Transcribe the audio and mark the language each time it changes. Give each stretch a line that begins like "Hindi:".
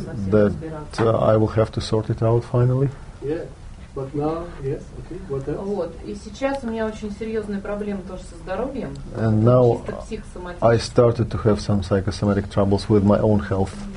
English: That I will have to sort it out finally. Yeah, but now, yes, okay. What else?
Russian: Вот и сейчас у меня очень серьезные проблемы тоже со здоровьем.
English: And now I started to have some psychosomatic troubles with my own health.